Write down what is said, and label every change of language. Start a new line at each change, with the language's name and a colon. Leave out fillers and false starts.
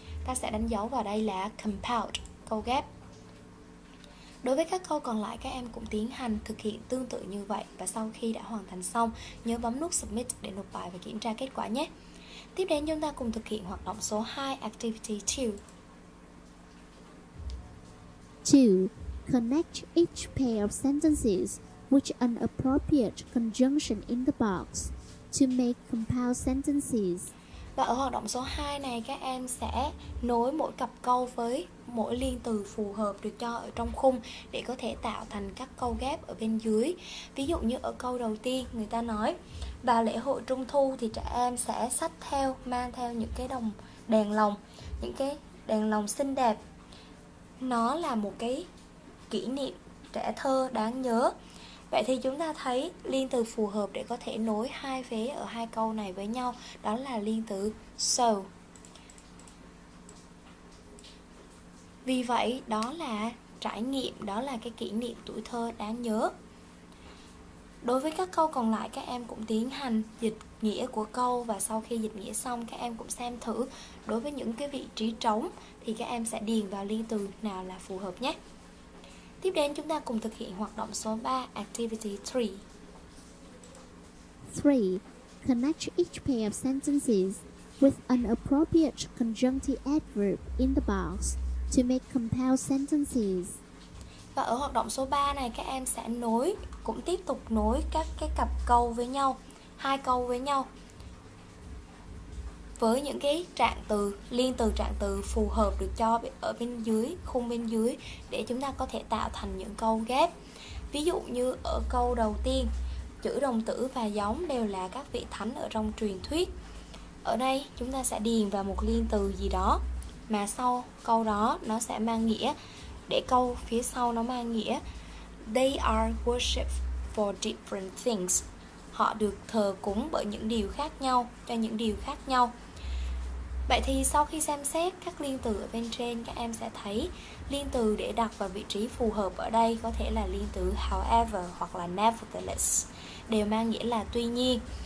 Vietnamese: Ta sẽ đánh dấu vào đây là compound, câu ghép. Đối với các câu còn lại, các em cũng tiến hành thực hiện tương tự như vậy. Và sau khi đã hoàn thành xong, nhớ bấm nút submit để nộp bài và kiểm tra kết quả nhé. Tiếp đến chúng ta cùng thực hiện hoạt động số 2, activity 2.
English: 2. Connect each pair of sentences with an appropriate conjunction in the box to make compound sentences.
Vietnamese: Và ở hoạt động số 2 này, các em sẽ nối mỗi cặp câu với mỗi liên từ phù hợp được cho ở trong khung để có thể tạo thành các câu ghép ở bên dưới. Ví dụ như ở câu đầu tiên, người ta nói vào lễ hội trung thu thì trẻ em sẽ xách theo, mang theo những cái đồng đèn lồng, những cái đèn lồng xinh đẹp. Nó là một cái kỷ niệm trẻ thơ đáng nhớ. Vậy thì chúng ta thấy liên từ phù hợp để có thể nối hai vế ở hai câu này với nhau, đó là liên từ so. Vì vậy, đó là trải nghiệm, đó là cái kỷ niệm tuổi thơ đáng nhớ. Đối với các câu còn lại, các em cũng tiến hành dịch nghĩa của câu, và sau khi dịch nghĩa xong, các em cũng xem thử đối với những cái vị trí trống thì các em sẽ điền vào liên từ nào là phù hợp nhé. Tiếp đến chúng ta cùng thực hiện hoạt động số 3, activity 3.
English: 3. Connect each pair of sentences with an appropriate conjunctive adverb in the box to make compound sentences.
Vietnamese: Và ở hoạt động số 3 này, các em sẽ nối, cũng tiếp tục nối các cái cặp câu với nhau, hai câu với nhau, với những cái trạng từ, liên từ trạng từ phù hợp được cho ở bên dưới, khung bên dưới, để chúng ta có thể tạo thành những câu ghép. Ví dụ như ở câu đầu tiên, chữ đồng tử và giống đều là các vị thánh ở trong truyền thuyết. Ở đây chúng ta sẽ điền vào một liên từ gì đó, mà sau câu đó nó sẽ mang nghĩa, để câu phía sau nó mang nghĩa.
English: They are worshipped for different things.
Vietnamese: Họ được thờ cúng bởi những điều khác nhau, cho những điều khác nhau. Vậy thì sau khi xem xét các liên từ ở bên trên, các em sẽ thấy liên từ để đặt vào vị trí phù hợp ở đây có thể là liên từ however hoặc là nevertheless, đều mang nghĩa là tuy nhiên.